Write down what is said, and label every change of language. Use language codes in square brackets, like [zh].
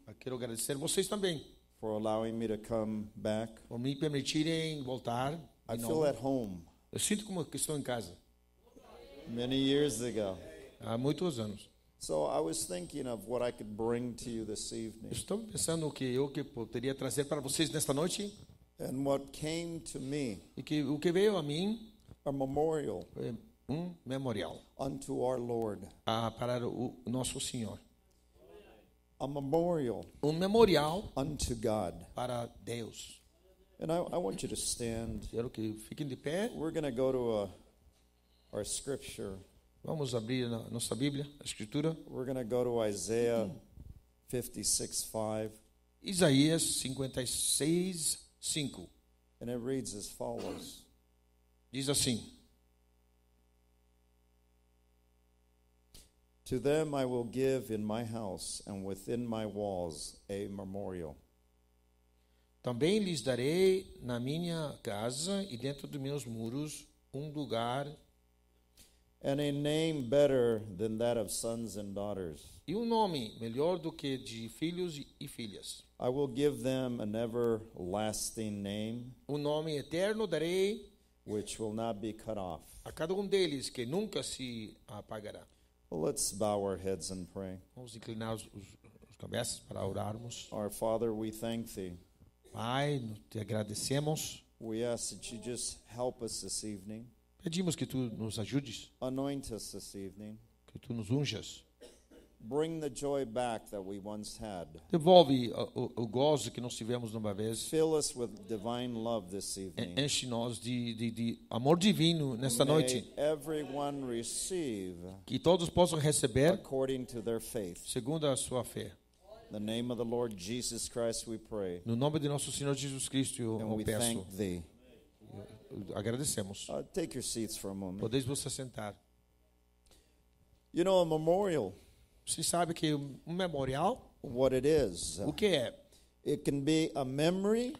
[pt] Quero agradecer vocês também [en] for allowing me to come back. [pt] Por me permitirem voltar. [en] I feel at home. [pt] Eu sinto como que estou em casa. [en] Many years ago. [pt] Há muitos anos. [en] So I was thinking of what I could bring to you this evening. [pt] Estou pensando o que eu que poderia trazer para vocês nesta noite. [en] And what came to me. [pt] E que o que veio a mim. [en] A memorial. [pt] Um memorial. [en] Unto our Lord. [pt] Para o nosso Senhor. [en] A memorial. [pt] Um memorial. [en] Unto God. [pt] Para Deus. [en] And I want you to stand. [pt] Quero que fiquem de pé. [en] We're going to go to our scripture. [pt] Vamos abrir a nossa Bíblia, a escritura. [en] We're going to go to Isaiah 56:5. [pt] Isaías 56:5. [en] And it reads as follows. [pt] Diz assim: [en] To them I will give in my house and within my walls a memorial. [pt] Também lhes darei na minha casa e dentro dos meus muros lugar. [en] And a name better than that of sons and daughters. [pt] E nome melhor do que de filhos e filhas. [en] I will give them an everlasting name. [pt] Nome eterno darei. [en] Which will not be cut off. [pt] A cada deles que nunca se apagará. [en] Well, let's bow our heads and pray. [pt] Vamos inclinar os cabeças para orarmos. [en] Our Father, we thank thee. [pt] Pai, te agradecemos. [en] We ask that you just help us this evening. [pt] Pedimos que tu nos ajudes. [en] Anoint us this evening. [pt] Que tu nos unjas. [en] Bring the joy back that we once had. [pt] Devolve o gozo que nós tivemos numa vez. [en] Fill us with divine love this evening. [pt] Enche-nos de amor divino nesta [en] May [pt] noite. [en] Everyone receive. [pt] Que todos possam receber [en] according to their faith. [pt] Segundo a sua fé. [en] In the name of the Lord Jesus Christ, we pray. [pt] No nome de nosso Senhor Jesus Cristo, eu peço. [en] And we thank thee. [pt] Agradecemos. [en] Take your seats for a moment. [pt] Podeis vos assentar. [en] You know, a memorial. [pt] Você sabe que memorial? [en] What it is? [pt] O que é? [en] It can be a memory.